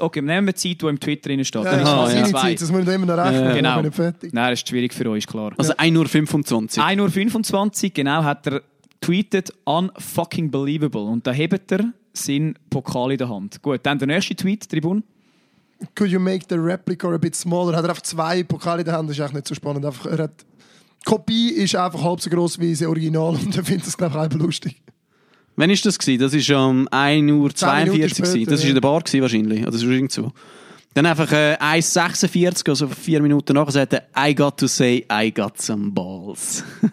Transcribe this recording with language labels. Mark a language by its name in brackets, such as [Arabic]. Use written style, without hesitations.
[German] Okay, nehmen wir die Zeit, die im Twitter drin steht. Dann ist es 12:30. Das müssen wir immer noch rechnen. Genau. Nein, das ist schwierig für euch, klar. Also 1:25. 1:25, genau, hat er tweetet [English] unfucking believable. [German] Und da hebt er seinen Pokal in der Hand. Gut, dann der nächste Tweet, Tribune. [English] Could you make the replica a bit smaller? [German] Hat er einfach zwei Pokale in der Hand? Das ist echt nicht so spannend. Die Kopie ist einfach halb so gross wie das Original. Und er findet es, glaube ich, einfach lustig. Wann war das? Das war um 1:42 Uhr. Das war in der Bar wahrscheinlich. Oder so irgendwo. Dann einfach 1:46, also 4 Minuten nachher, sagt er: [English] I got to say, I got some balls.